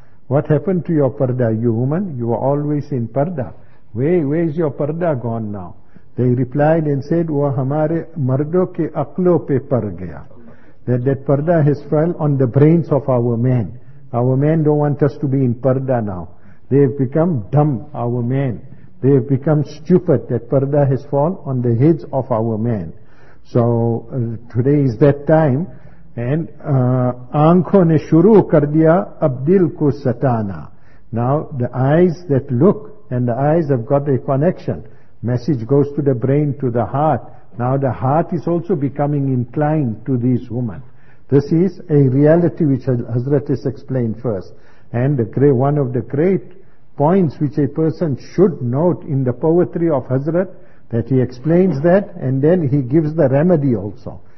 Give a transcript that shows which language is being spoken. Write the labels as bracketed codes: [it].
[en] What happened to your purdah, you woman? You were always in purdah. Where is your purdah gone now? They replied and said, [ur] وہ ہمارے مردوں کے عقلوں پہ پر گیا. [en] That purdah has fell on the brains of our men. Our men don't want us to be in purdah now. They have become dumb, our men. They have become stupid. That purdah has fallen on the heads of our men. So today is that time, and [ur] آنکھوں نے شروع کر دیا اب دل کو ستانا. [en] Now the eyes that look and the eyes have got a connection. Message goes to the brain, to the heart. Now the heart is also becoming inclined to these women. This is a reality which Hazrat has explained first. And one of the great points which a person should note in the poetry of Hazrat, that he explains that, and then he gives the remedy also.